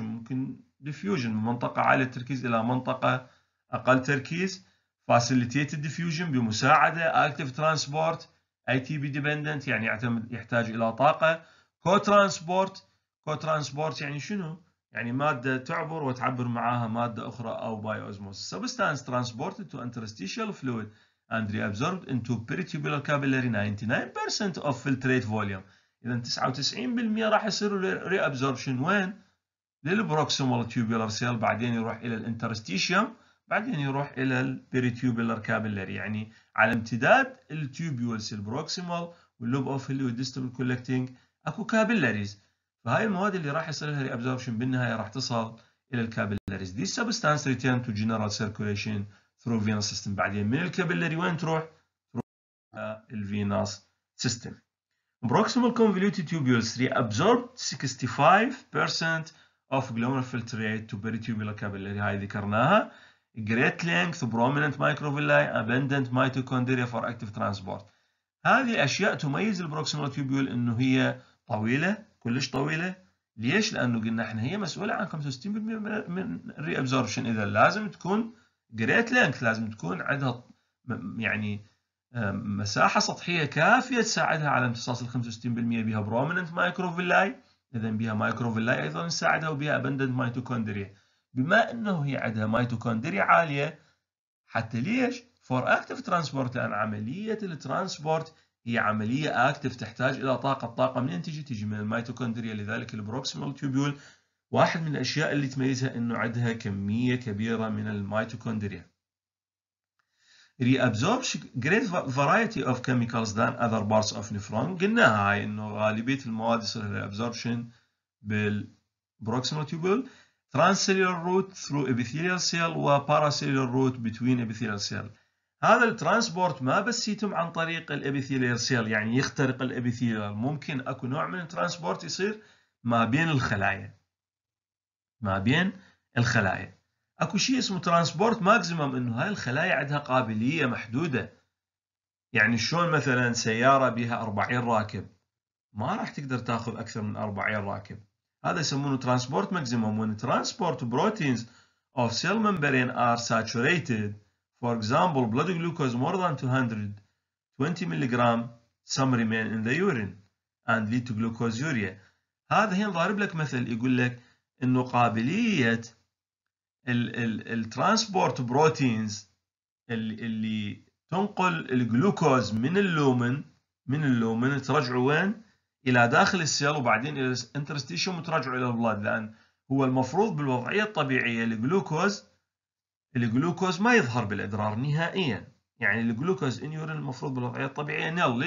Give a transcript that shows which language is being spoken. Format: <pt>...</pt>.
<ar>ممكن diffusion من منطقة عالية تركيز إلى منطقة أقل تركيز، facilitated diffusion بمساعدة،</ar> <en>active transport ATP dependent</en> <ar>يعني يعتمد يحتاج إلى طاقة، co-transport. co-transport يعني شنو؟ يعني مادة تعبر وتعبر معها مادة أخرى، أو بايوزموس.</ar> <en>Substance transported to interstitial fluid and reabsorbed into peritubular capillary 99% of filtrate volume.</en> <ar>إذا 99% راح يصير reabsorption وين؟ للبروكسيمال تيوبولار سيل، بعدين يروح إلى الانترستيشيوم، بعدين يروح إلى البيريتيوبولار كابيلاري، يعني على امتداد التيوبولس البروكسيمال واللوب أوف هيلي والديستال كولكتينج أكو كابيلاريز، فهاي المواد اللي راح يصير لها ريابزوربشن بالنهايه راح تصل الى الكابيلاريز.</ar> <en>This substance return to general circulation through venous system.</en> <ar>بعدين من الكابيلاري وين تروح؟ تروح الى venous system.</ar> <en>Proximal convoluted tubules reabsorbed 65% of glomerular filtrate to peritubular capillary.</en> <ar>هاي ذكرناها.</ar> <en>Great length, prominent microvilli, abundant mitochondria for active transport.</en> <ar>هذه اشياء تميز البروكسيمال تيوبيول انه هي طويله، كلش طويلة. ليش؟ لأنه قلنا احنا هي مسؤولة عن 65% من الري ابزوربشن، إذا لازم تكون جريت لينث، لازم تكون عندها يعني مساحة سطحية كافية تساعدها على امتصاص ال 65%، بها برومننت مايكروفيلاي، إذا بها مايكروفيلاي أيضا تساعدها، وبها ابندنت ميتوكوندريا. بما أنه هي عندها ميتوكوندريا عالية حتى ليش؟ فور أكتيف ترانسبورت، لأن عملية الترانسبورت هي عملية أكتف تحتاج إلى طاقة، الطاقة منين تجي؟ تجي من الميتوكوندريا، لذلك البروكسيمال تيوبيول واحد من الأشياء اللي تميزها إنه عندها كمية كبيرة من الميتوكوندريا.</ar> <en>reabsorbs great variety of chemicals than other parts of nephron.</en> <ar>قلناها هاي انه غالبية المواد يصير reabsorption بالproximal tubule.</ar> <en>Transcellular route through epithelial cell و paracellular route between epithelial cell.</en> <ar>هذا الترانسبورت ما بس يتم عن طريق الابيثيليال سيل، يعني يخترق الابيثيليال، ممكن اكو نوع من الترانسبورت يصير ما بين الخلايا، ما بين الخلايا اكو شيء اسمه ترانسبورت ماكسيمم، انه هاي الخلايا عندها قابليه محدوده. يعني شلون مثلا سياره بها 40 راكب ما راح تقدر تاخذ اكثر من 40 راكب، هذا يسمونه ترانسبورت ماكسيمم.</ar> <en>When transport proteins of cell membrane are saturated, for example blood glucose more than 220 milligram some remain in the urine and lead to glucosuria.</en> <ar>هذا هين ضارب لك مثل، يقول لك انه قابليه الترانسبورت بروتينز اللي تنقل الجلوكوز من اللومن، من اللومن ترجعوا وين؟ الى داخل السيل وبعدين الى الانترستيشن وترجعوا الى البلد، لان هو المفروض بالوضعيه الطبيعيه الجلوكوز، الجلوكوز ما يظهر بالادرار نهائيا، يعني الجلوكوز ان يورين المفروض بالوضعيه الطبيعيه نل.</ar>